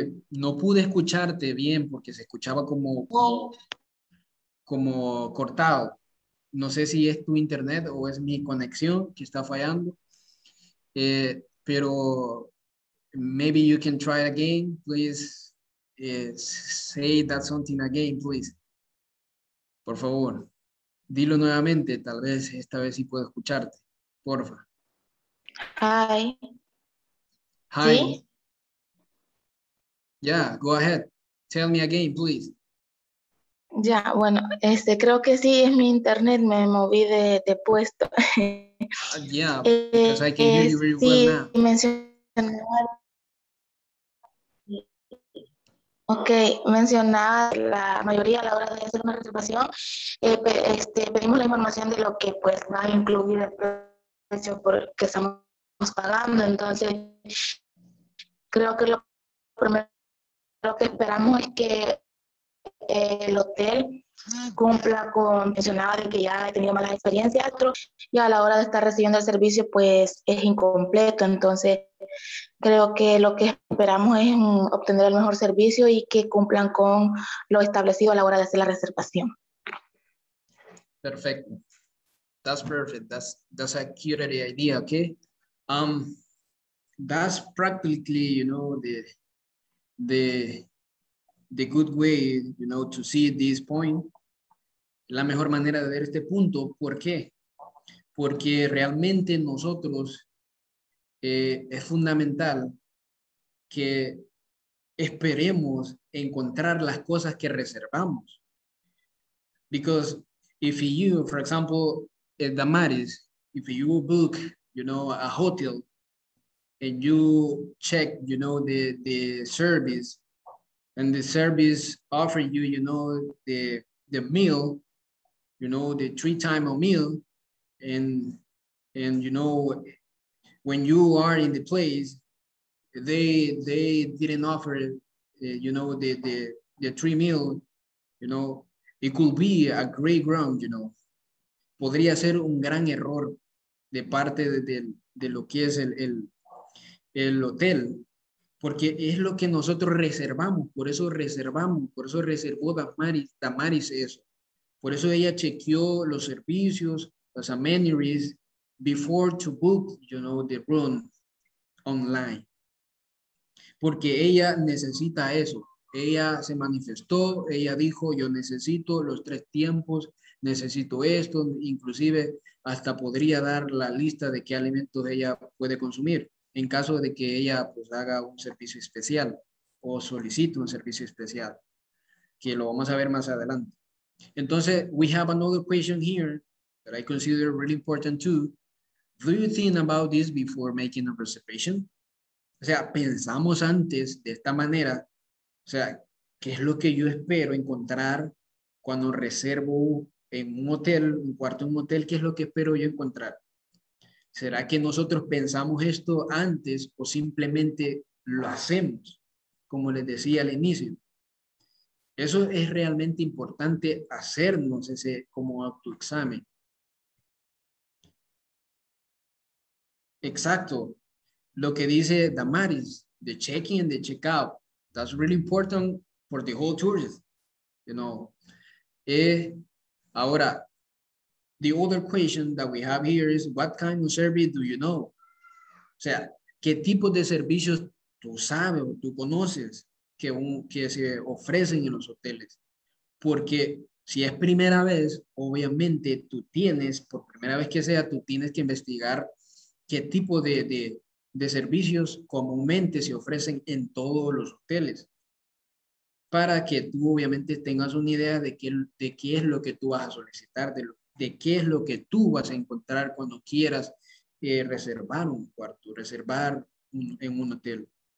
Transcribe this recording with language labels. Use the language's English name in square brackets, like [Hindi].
[Spanish] No pude escucharte bien porque se escuchaba como cortado. No sé si es tu internet o es mi conexión que está fallando. Pero [English] maybe you can try it again, please. Say that something again, please. [Spanish] Por favor, dilo nuevamente. Tal vez esta vez sí puedo escucharte. Porfa. [English] Hi. Hi. [Spanish] ¿Sí? [English] Yeah, go ahead. Tell me again, please. [Spanish] Ya, yeah, bueno, creo que sí es mi internet. Me moví de puesto. [English] Yeah, because I can hear you very well now. [Spanish] Okay, mencionaba la mayoría a la hora de hacer una reservación, pedimos la información de lo que pues va a incluir el precio por el que estamos pagando. Entonces, creo que lo primero que esperamos es que el hotel cumpla con mencionado de que ya ha tenido malas experiencias y a la hora de estar recibiendo el servicio pues es incompleto. Entonces creo que lo que esperamos es obtener el mejor servicio y que cumplan con lo establecido a la hora de hacer la reservación. Perfecto. [English] That's perfect. That's a cute idea, okay? That's practically, you know, the good way, you know, to see this point. [Spanish] La mejor manera de ver este punto, ¿por qué? Porque realmente nosotros es fundamental que esperemos encontrar las cosas que reservamos. [English] Because if you, for example, at Damaris, if you book, you know, a hotel and you check, you know, the service, and the service offer you, you know, the meal, you know, the three time a meal, and you know, when you are in the place, they didn't offer, you know, the three meal, you know, it could be a great ground, you know. [Spanish] Podría ser un gran error de parte de lo que es el hotel, porque es lo que nosotros reservamos, por eso reservó Damaris eso. Por eso ella chequeó los servicios, las amenities, [English] before to book, you know, the room online. [Spanish] Porque ella necesita eso. Ella se manifestó, ella dijo, yo necesito los tres tiempos, necesito esto, inclusive hasta podría dar la lista de qué alimentos ella puede consumir en caso de que ella pues haga un servicio especial o solicite un servicio especial, que lo vamos a ver más adelante. [English] Entonces, we have another question here that I consider really important too. Do you think about this before making a reservation? [Spanish] O sea, ¿pensamos antes de esta manera? O sea, ¿qué es lo que yo espero encontrar cuando reservo en un hotel, un cuarto en un hotel? ¿Qué es lo que espero yo encontrar? ¿Será que nosotros pensamos esto antes o simplemente lo hacemos? Como les decía al inicio. Eso es realmente importante, hacernos ese como autoexamen. Exacto. Lo que dice [English] Damaris, the check-in and the check-out. That's really important for the whole tourist, you know. Ahora, the other question that we have here is, what kind of service do you know? [Spanish] O sea, ¿qué tipo de servicios tú sabes o tú conoces que se ofrecen en los hoteles? Porque si es primera vez, obviamente tú tienes, por primera vez que sea, tú tienes que investigar qué tipo de servicios comúnmente se ofrecen en todos los hoteles, para que tú obviamente tengas una idea de qué es lo que tú vas a solicitar, de qué es lo que tú vas a encontrar cuando quieras reservar un cuarto, reservar en un hotel.